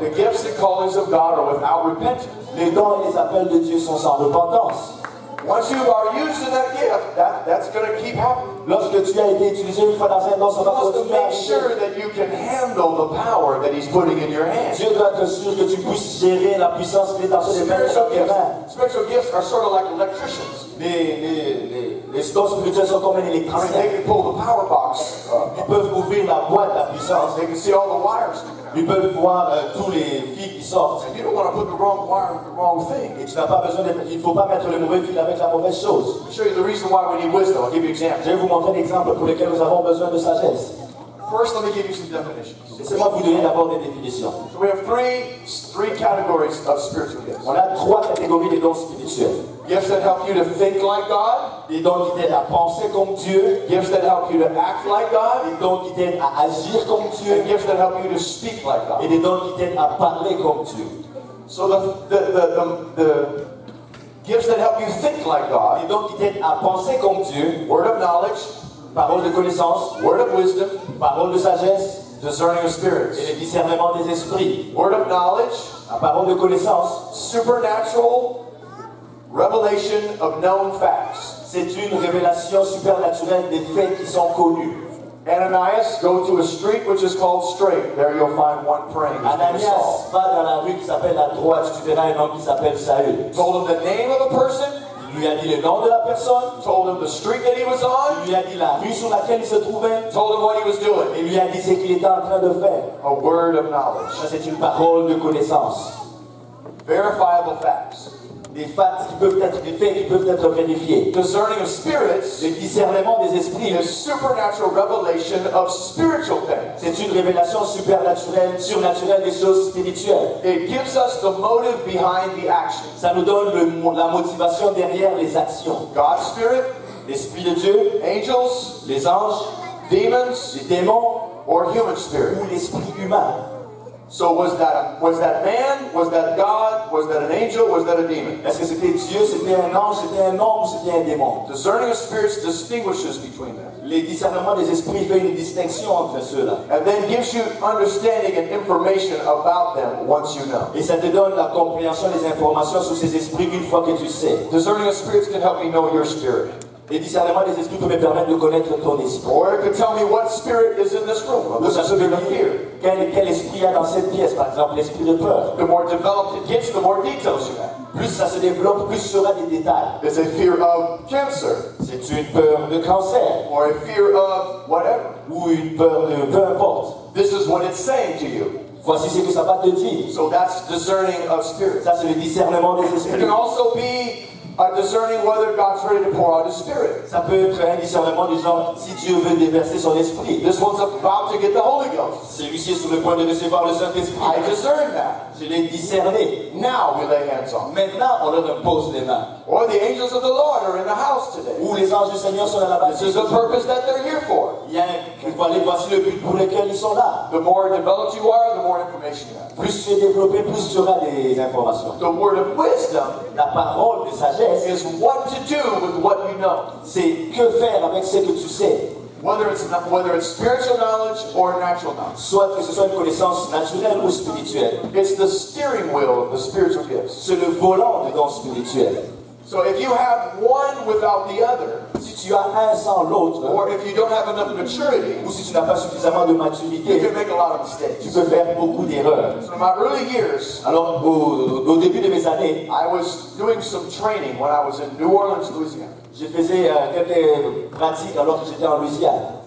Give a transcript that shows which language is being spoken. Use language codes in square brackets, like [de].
[en] The gifts and callings of God are without repentance. [fr] Les dons et les appels de Dieu sont sans repentance. [en] Once you are used to that gift, that's going to keep happening. [fr] Lorsque tu as été utilisé une fois dans un don, ça va continuer. [en] Make sure that you can handle the power that he's putting in your hands. [fr] Dieu doit être sûr que tu puisses gérer la puissance qui est dans tes mains. [en] Spiritual gifts are sort of like electricians. [fr] Les dons spirituels sont comme un électricien. [en] They can pull the power box. [fr] Ils peuvent ouvrir la boîte, la puissance. [en] They can see all the wires. [fr] Ils peuvent voir tous les fils qui sortent. [en] You don't want to put the wrong wire with the wrong thing. [fr] Et tu n'as pas besoin de, il ne faut pas mettre le mauvais fil avec la mauvaise chose. [en] I'll show you the reason why we need wisdom. I'll give you examples. [fr] Je vais vous montrer un exemple pour lequel nous avons besoin de sagesse. [en] First, let me give you some definitions. [fr] Laissez-moi vous donner d'abord des définitions. [en] So we have three categories of spiritual gifts. [fr] On a trois catégories de dons spirituels. [en] Gifts that help you to think like God. [fr] Des dons qui t'aident à penser comme Dieu. [en] Gifts that help you to act like God. [fr] Des dons qui t'aident à agir comme Dieu. [en] And gifts that help you to speak like God. [fr] Et des dons qui t'aident à parler comme Dieu. [en] So the gifts that help you think like God. [fr] Des dons qui t'aident à penser comme Dieu. [en] Word of knowledge. [fr] Parole de connaissance. [en] Word of wisdom. [fr] Parole de sagesse. [en] Discerning of spirits. [fr] Et le discernement des esprits. [en] Word of knowledge. [fr] La parole de connaissance. [en] Supernatural revelation of known facts. [fr] C'est une révélation supernaturelle des faits qui sont connus. [en] Ananias, go to a street which is called Straight. There you'll find one praying. [fr] Ananias, va dans la rue qui s'appelle la Droite. Tu verras un homme qui s'appelle Saül. [en] Told him the name of the person. [fr] Il lui a dit le nom de la personne. [en] Told him the street that he was on. [fr] Il lui a dit la rue sur laquelle il se trouvait. [en] Told him what he was doing. [fr] Il lui a dit ce qu'il était en train de faire. [en] A word of knowledge. [fr] Ça, c'est une parole de connaissance. [en] Verifiable facts. [fr] Des faits qui peuvent être des faits qui peuvent être vérifiés. [en] Discerning of spirits. [fr] Le discernement des esprits. [en] A supernatural revelation of spiritual things. [fr] C'est une révélation supernaturelle, surnaturelle des choses spirituelles. [en] It gives us the motive behind the action. [fr] Ça nous donne la motivation derrière les actions. [en] God's spirit, [fr] l'esprit de Dieu, [en] angels, [fr] les anges, [en] demons, [fr] les démons, [en] or human spirit, [fr] ou l'esprit humain. [en] So was that man? Was that God? Was that an angel? Was that a demon? [fr] Est-ce que c'était Dieu, c'était un ange, c'était un homme, c'était un démon? [en] Discerning of spirits distinguishes between them. [fr] Le discernement des esprits fait une distinction entre ceux-là. [en] And then gives you understanding and information about them once you know. [fr] Et ça te donne la compréhension des informations sur ces esprits une fois que tu sais. [en] Discerning of spirits can help me know your spirit. [fr] Le discernement des esprits peut me permettre de connaître ton esprit. [en] Or it could tell me what spirit is in this room. [fr] Ou ça peut me dire quel esprit il y a dans cette pièce, par exemple l'esprit de peur. [en] The more developed it gets, the more details you have. [fr] Plus ça se développe, plus sera des détails. [en] It's a fear of cancer. [fr] C'est une peur de cancer. [en] Or a fear of whatever. [fr] Ou une peur de peu importe. [en] This is what it's saying to you. [fr] Voici ce que ça va te dire. [en] So that's discerning of spirits. [fr] Ça c'est le discernement des esprits. [en] It can also be a discerning whether God's ready to pour out His Spirit. [fr] Ça peut être un discernement disant si Dieu veut déverser son esprit. [en] This one's about to get the Holy Ghost. [fr] Celui-ci est sur le point de recevoir le Saint-Esprit. [en] I discern that. [fr] Je l'ai discerné. [en] Now we lay hands on. [fr] Maintenant, on leur impose les mains. [en] Or the angels of the Lord are in the house today. [fr] Ou les anges du Seigneur sont là-bas. [en] This is the purpose that they're here for. [fr] Voici le but pour lequel ils sont là. [en] The more developed you are, the more information you have. [fr] Plus tu es développé, plus tu auras des informations. [en] The word of wisdom, [fr] la parole de sagesse, [en] is what to do with what you know. [fr] C'est que faire avec ce que tu sais. [en] Whether it's spiritual knowledge or natural knowledge. [fr] Soit que ce soit une connaissance naturelle ou spirituelle. [en] It's the steering wheel of the spiritual gifts. [fr] C'est le volant des dons spirituels. [en] So if you have one without the other, [fr] si tu as un sans l'autre, [en] or if you don't have enough maturity, [fr] ou si tu n'as pas suffisamment de maturité, [en] you can make a lot of mistakes. [fr] Tu peux faire beaucoup d'erreurs. [en] So in my early years, [fr] au début de mes années, [en] I was doing some training when I was in New Orleans, Louisiana. [fr] Je faisais quelques pratiques alors que j'étais en Louisiane.